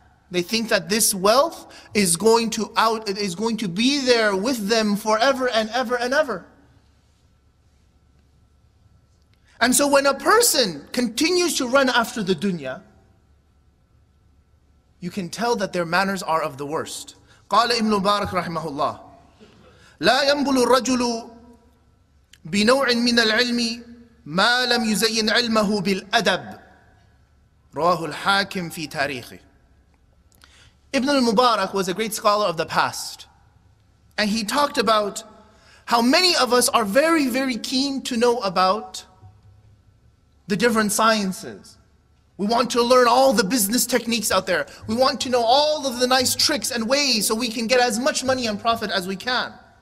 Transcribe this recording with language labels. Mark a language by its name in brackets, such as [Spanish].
[English] They think that this wealth is going to be there with them forever and ever and ever. And so when a person continues to run after the dunya, you can tell that their manners are of the worst. [Arabic] قَالَ إِبْنُ مُبَارَكَ رَحِمَهُ اللَّهُ لا ينبل الرجل بنوع من العلم ما لم يزين علمه بالأدب رواه الحاكم في تاريخه. [English] Ibn al-Mubarak was a great scholar of the past, and he talked about how many of us are very, very keen to know about the different sciences. We want to learn all the business techniques out there. We want to know all of the nice tricks and ways so we can get as much money and profit as we can.